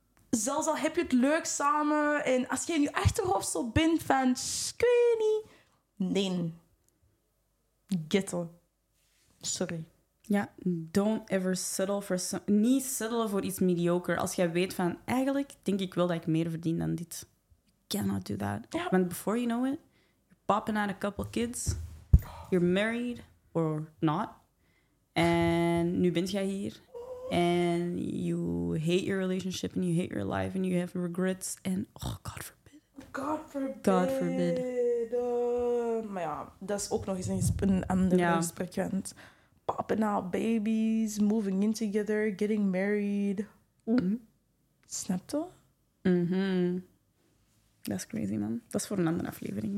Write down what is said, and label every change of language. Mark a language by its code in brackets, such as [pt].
[nl] Zelfs al heb je het leuk samen. En als je in je achterhoofd zo bent van, ik weet niet. Nee. Ghetto. Sorry. [en] Ja, don't ever settle for... [nl] Niet settelen voor iets mediocre. Als jij weet van, eigenlijk denk ik wel dat ik meer verdien dan dit. [en] You cannot do that. Yeah. But before you know it, you're popping out a couple kids. You're married or not. [nl] En nu ben jij hier. [en] And you hate your relationship and you hate your life and you have regrets. And oh, God forbid. God forbid. God forbid. [nl] Maar ja, dat is ook nog eens een andere gesprek. [en] Yeah. Popping out babies, moving in together, getting married. Mm-hmm. [nl] Snap je? [en] Mm-hmm. That's crazy, man. [nl] Dat is voor een andere aflevering.